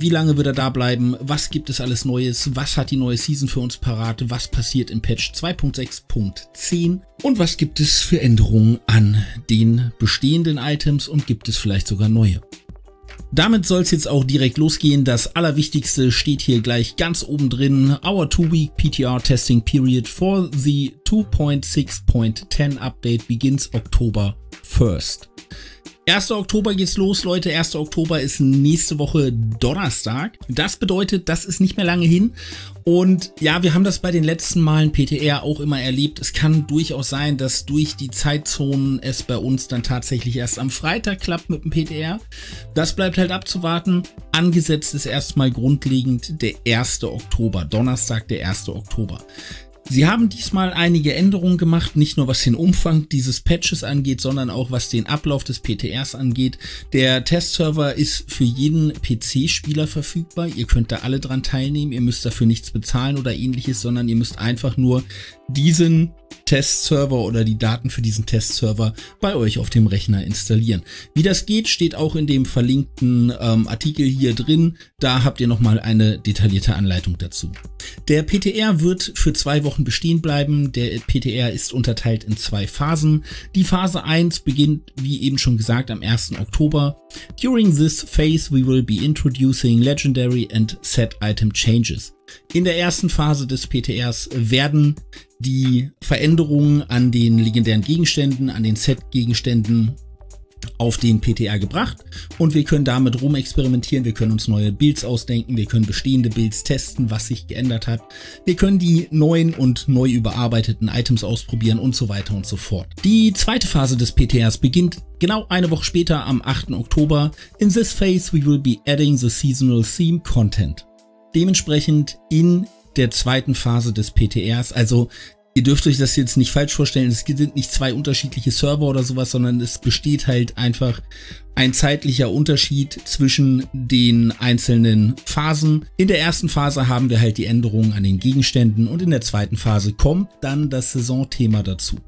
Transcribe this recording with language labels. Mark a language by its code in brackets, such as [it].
[de] Wie lange wird er da bleiben? Was gibt es alles Neues? Was hat die neue Season für uns parat? Was passiert im Patch 2.6.10? Und was gibt es für Änderungen an den bestehenden Items und gibt es vielleicht sogar neue? Damit soll es jetzt auch direkt losgehen. Das Allerwichtigste steht hier gleich ganz oben drin. [en] Our 2-week PTR testing period for the 2.6.10 update begins October 1st. [de] 1. Oktober geht's los, Leute. 1. Oktober ist nächste Woche Donnerstag. Das bedeutet, das ist nicht mehr lange hin. Und ja, wir haben das bei den letzten Malen PTR auch immer erlebt. Es kann durchaus sein, dass durch die Zeitzonen es bei uns dann tatsächlich erst am Freitag klappt mit dem PTR. Das bleibt halt abzuwarten. Angesetzt ist erstmal grundlegend der 1. Oktober. Donnerstag, der 1. Oktober. Sie haben diesmal einige Änderungen gemacht, nicht nur was den Umfang dieses Patches angeht, sondern auch was den Ablauf des PTRs angeht. Der Testserver ist für jeden PC-Spieler verfügbar. Ihr könnt da alle dran teilnehmen. Ihr müsst dafür nichts bezahlen oder ähnliches, sondern ihr müsst einfach nur diesen Testserver oder die Daten für diesen Testserver bei euch auf dem Rechner installieren. Wie das geht, steht auch in dem verlinkten Artikel hier drin. Da habt ihr nochmal eine detaillierte Anleitung dazu. Der PTR wird für 2 Wochen bestehen bleiben. Der PTR ist unterteilt in 2 Phasen. Die Phase 1 beginnt, wie eben schon gesagt, am 1. Oktober. [en] During this phase we will be introducing legendary and set item changes. [de] In der ersten Phase des PTRs werden die Veränderungen an den legendären Gegenständen, an den Set-Gegenständen auf den PTR gebracht und wir können damit rumexperimentieren, wir können uns neue Builds ausdenken, wir können bestehende Builds testen, was sich geändert hat, wir können die neuen und neu überarbeiteten Items ausprobieren und so weiter und so fort. Die zweite Phase des PTRs beginnt genau eine Woche später am 8. Oktober. [en] In this phase we will be adding the seasonal theme content. [de] Dementsprechend in der zweiten Phase des PTRs, also ihr dürft euch das jetzt nicht falsch vorstellen, es sind nicht 2 unterschiedliche Server oder sowas, sondern es besteht halt einfach ein zeitlicher Unterschied zwischen den einzelnen Phasen. In der ersten Phase haben wir halt die Änderungen an den Gegenständen und in der zweiten Phase kommt dann das Saisonthema dazu.